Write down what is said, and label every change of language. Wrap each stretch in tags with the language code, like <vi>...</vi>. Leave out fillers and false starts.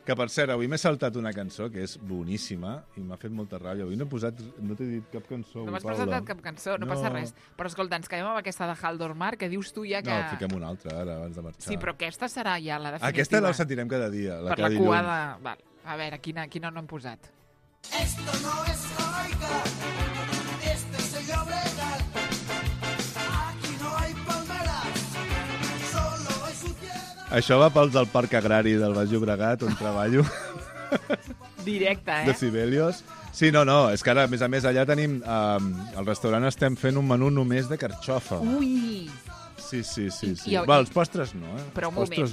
<ca>Que, per cert, avui m'he saltat una cançó que és boníssima i m'ha fet molta ràbia. Avui no he posat... No t'he dit cap cançó, Paula. No m'has presentat cap cançó, no passa res. Però, escolta, ens quedem amb aquesta de Haldor Mar, que dius tu ja que... No, fiquem una altra, ara, abans de marxar. Sí, però aquesta serà ja la definitiva. Aquesta la sentirem cada dia, la cada dilluns. Per la cua de... A veure, quina no hem posat.</ca> <es>Esto no es Jamaica, este es el Llobregat. Aquí no hay palmeras, solo hay suciedad.</es> <ca>Això va pels del Parc Agrari del Baix Llobregat, on treballo. Directe, eh? De Sibelius. Sí, no, no, és que ara, a més, allà tenim... al restaurant estem fent un menú només de carxofa. Ui! Sí, sí, sí. Sí. I... Va, els postres no, eh? Però un postres</ca>